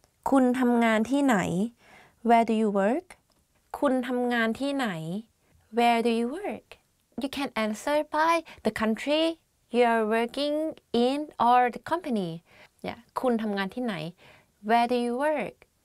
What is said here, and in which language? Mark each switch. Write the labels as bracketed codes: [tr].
[th] คุณทำงานที่ไหน? [en] Where do you work? [th] คุณทำงานที่ไหน [en] Where do you work? You can answer by the country you're working in or the company. Yeah, [th] คุณทำงานที่ไหน [en] Where do you work?